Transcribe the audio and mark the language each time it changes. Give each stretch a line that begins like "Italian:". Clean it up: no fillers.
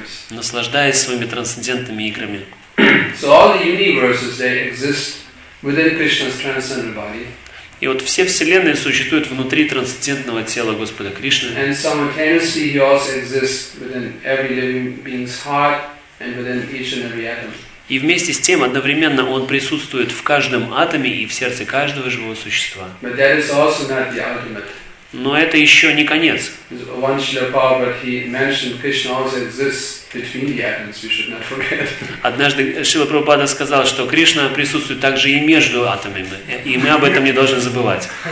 Russian: Наслаждаясь своими трансцендентными играми.
English: So all the universes, they exist within Krishna's transcendental body.
Russian: И вот все вселенные существуют внутри трансцендентного тела Господа Кришны.
English: And simultaneously, he also exists within every living being's heart and within each and every atom.
Russian: И вместе с тем одновременно он присутствует в каждом атоме и в сердце каждого живого существа.
English: But that is also not the ultimate.
Russian: Но это еще не конец.
English: One Srila Prabhupada, he mentioned Krishna also exists between the atoms, we should not forget.
Russian: Однажды Шрила Прабхупада сказал, что Кришна присутствует также и между атомами, и мы об этом не должны забывать.